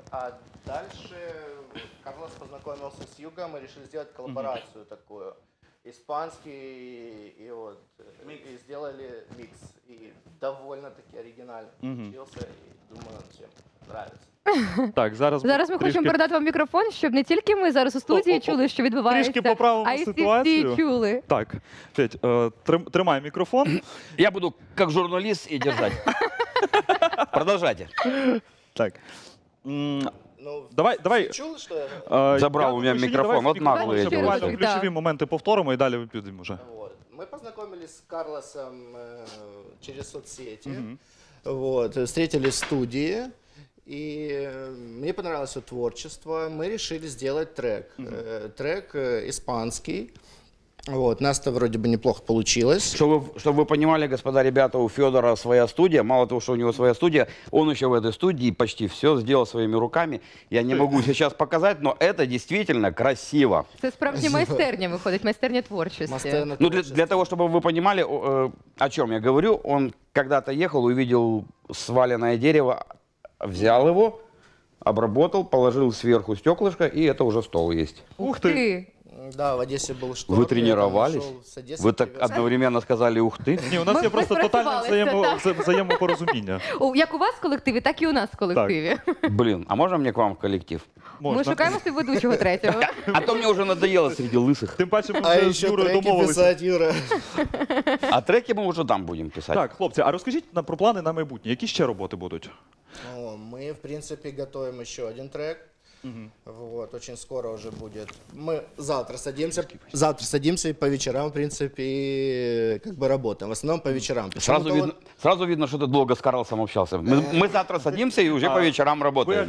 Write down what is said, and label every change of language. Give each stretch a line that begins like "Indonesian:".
Russian: А дальше Карлос познакомился с Югом, мы решили сделать коллаборацию такую. Испанский и вот микс. И сделали микс. И довольно-таки оригинально получился. И думаю, нам всем нравится.
Ukrainian: Так, зараз ми трішки... хочемо передати вам мікрофон, щоб не тільки ми зараз у студії чули, що відбувається, трішки поправимо ситуацію. Всі чули. Так, Федь, тримай мікрофон. Я буду як журналіст і держати. Продовжайте. Так. Давай. Чули, що я? Забрав у мене мікрофон, от наглий. Ключові моменти повторимо і далі підемо вже. Ми познайомилися з Карлосом через соцсети.
Russian: Вот, встретились в студії. И мне понравилось его творчество. Мы решили сделать трек. Трек испанский. Вот, у нас-то вроде бы неплохо получилось. Чтобы вы понимали, господа, ребята, у Федора своя студия. Мало того, что у него своя студия, он еще в этой студии почти все сделал своими руками. Я не могу сейчас показать, но это действительно красиво. Это
Ukrainian: справжня майстерня
Russian: выходит, майстерня творчества. Ну, для того, чтобы вы понимали, о чем я говорю, он когда-то ехал, увидел сваленное дерево, взял его, обработал, положил сверху стеклышко, и это уже стол есть. Ух ты! Да, в Одессе был штурм. Вы тренировались? Вы так одновременно сказали «ух ты».
Ukrainian: Не, у нас є просто тотальне взаємопорозуміння. Як у вас в колективі, так і у нас в колективі. Блін, а можна мені к вам в колектив? Ми шукаємо собі ведучого третього. А то мені вже надоело серед лисих. Тим паче, ми вже з Юрою домовилися. А ще треки писати, Юра. А треки ми вже там будемо писати. Так, хлопці, а розкажіть про плани на майбутнє. Які ще роботи будуть?
Russian: Ну, мы, в принципе, готовим еще один трек. Вот, очень скоро уже будет. Мы завтра садимся и по вечерам, в принципе, и как бы работаем. В основном по вечерам. Сразу видно, что ты долго с Карлосом общался. Мы завтра садимся и уже по вечерам работаем.